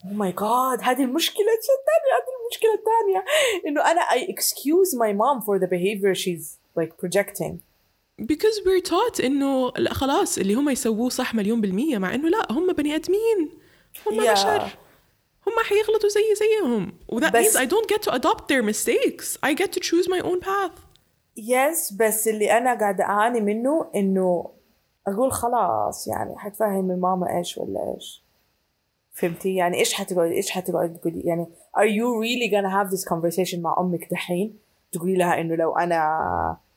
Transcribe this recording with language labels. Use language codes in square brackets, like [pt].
[en] Oh my God, [ar] هذه المشكلة الثانية. إنه أنا [en] I excuse my mom for the behavior she's like projecting. Because we're taught [ar] إنه خلاص اللي هم يسووه صح مليون بالمية مع إنه لا هم بني أدمين. هم بشر. هم حيغلطوا زي زيهم. [en] That means I don't get to adopt their mistakes. I get to choose my own path. Yes, [ar] بس اللي أنا قاعدة أعاني منه إنه أقول خلاص يعني حتفهم من ماما إيش ولا إيش. فهمتي؟ يعني إيش حتقول إيش حتقول تقولي يعني [en] Are you really gonna have this conversation [ar] مع أمك دحين؟ تقولي لها إنه لو أنا